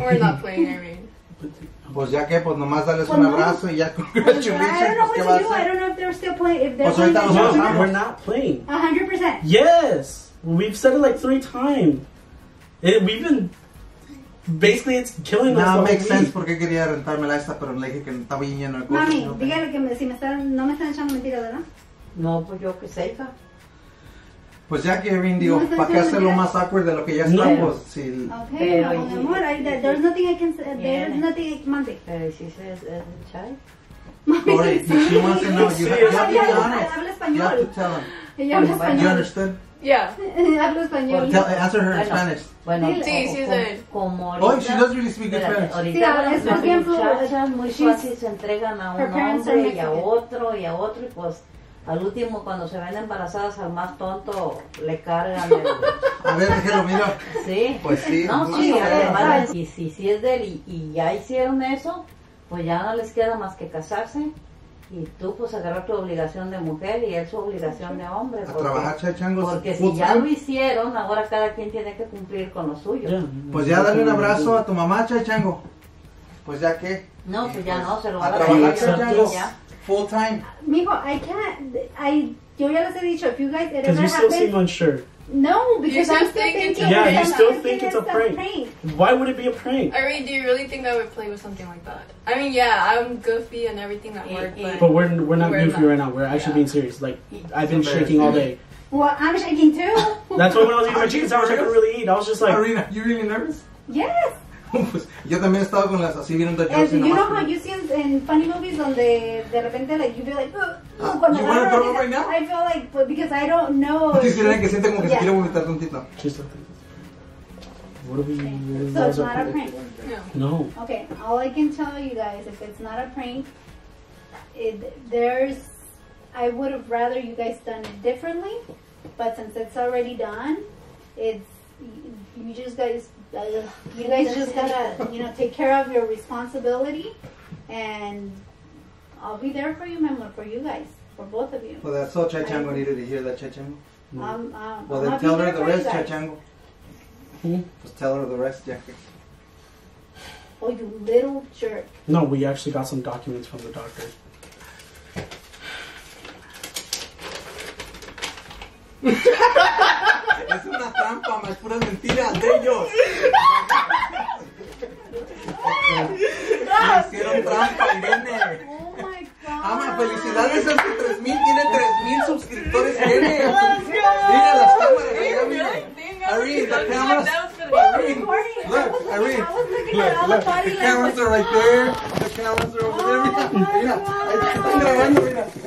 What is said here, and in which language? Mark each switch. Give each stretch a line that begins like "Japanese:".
English: We're not playing, I mean.
Spanish: Pues ya que, pues nomás dales un abrazo y ya congratulations.
English: I don't know what to do. I don't know if they're still playing. If they're playing, we're not playing. 100%. Yes. We've said it like 3 times. We've been... Basically, it's killing us. No, makes sense.
Spanish: Porque quería rentármela esta, pero le dije que estaba lleno de cosas. Mami, dígale que si me están... No me están echando mentiras, ¿verdad? No, pues yo que sé, hija. Pues ya, Kevin, digo, no, ¿para qué hacerlo más awkward de lo que ya estamos?
English: Okay,
Spanish: pero, mi amor,
English: there's nothing I can say. There's nothing I can say.
Spanish: Pero, ¿sí es el chai? Mami, ¿sí?
English: Sorry, she wants to know. You have to be honest.
Spanish: Habla español.
English: You have to tell him.
Spanish: Ella habla español.
English: You understood? Yeah.
Spanish: Habla español.
English: Answer her in Spanish.
Spanish: Bueno, sí, sí, como ahorita.
English: Oh, she does really speak good Spanish.
Spanish: Sí, ahora es muy bien fluido. Muchas veces se entregan a un hombre y a otro y a otro y pues... Al último, cuando se ven embarazadas, al más tonto le cargan. A ver, déjelo, mira. Sí. Pues sí. No, no, sí, además, y si sí es de él y ya hicieron eso, pues ya no les queda más que casarse. Y tú, pues, agarrar tu obligación de mujer y él su obligación de hombre. A trabajar, chachangos. Porque si ya lo hicieron, ahora cada quien tiene que cumplir con lo suyo. Pues ya, dale un abrazo a tu mamá, chachango. Pues ya, ¿qué? No, pues ya no, se lo va a trabajar, chachangos.
English: Full time. Mijo, I can't.
Spanish: Yo ya les he dicho,
English: if you guys, it ever happens. Because you still seem unsure. No, because I'm still thinking. Yeah, you still think it's a prank. Why would it be a prank? Irene, do you really think I would play with something like that? I mean, yeah, I'm goofy and everything at work, but. But we're not goofy right now. We're actually being serious. Like, I've been shaking all day. Well, I'm shaking too. That's why when I was eating my chicken sandwich, I couldn't really eat. I was just like. Irene, are you really nervous? Yes.
Spanish: Pues, yo también estaba con las así viendo de Jersey.
English: You know how you see in funny movies
Spanish: donde de repente
English: like you feel like you want to throw up right now? I feel like but because I don't know.
Spanish: Tú quisieras que siente como que se quiere vomitar tantito. Chiste.
English: What are we? So it's not a prank. No. Okay, all I can tell you guys, if it's not a prank, there's I would have rather you guys done it differently, but since it's already done, it's you just guys. You guys just gotta, you know, take care of your responsibility, and I'll be there for you, Memo, for you guys, for both of you. Well, that's all Chachango needed to hear, that Chachango. Well, then tell her the rest, Chachango. Just tell her the rest, Jackie. Oh, you little jerk. No, we actually got some documents from the doctor.
Spanish: Es una trampa, más puras mentiras de ellos. Hicieron trampa, Irene.
English: Oh my god.
Spanish: Ama, felicidades a tu 3000, tiene 3000 suscriptores, Irene.
English: Let's go.
Spanish: Mira las cámaras, mira. Irene,
English: the cameras. Look,
Spanish: Irene.
English: Look, the cameras are right there. The cameras are over there.
Spanish: Mira, ahí está grabando, mira.